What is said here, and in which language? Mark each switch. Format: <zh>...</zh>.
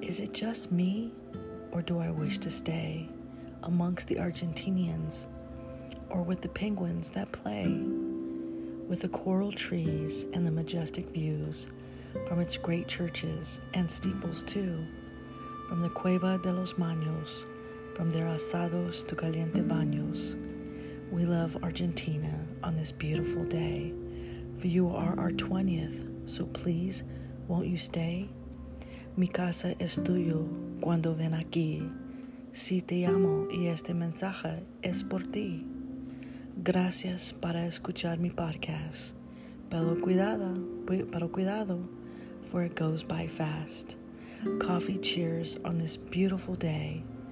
<en>Is it just me, or do I wish to stay amongst the Argentinians, or with the penguins that play, with the coral trees and the majestic views from its great churches and steeples too, from the Cueva de los Maños, from their asados to caliente baños. We love Argentina on this beautiful day, for you are our 20th, so please, won't you stay?</en> <es>Mi casa es tuyo cuando ven aquí. Si te amo y este mensaje es por ti. Gracias para escuchar mi podcast. Pero cuidado,</es> <en>for it goes by fast. Coffee cheers on this beautiful day.</en>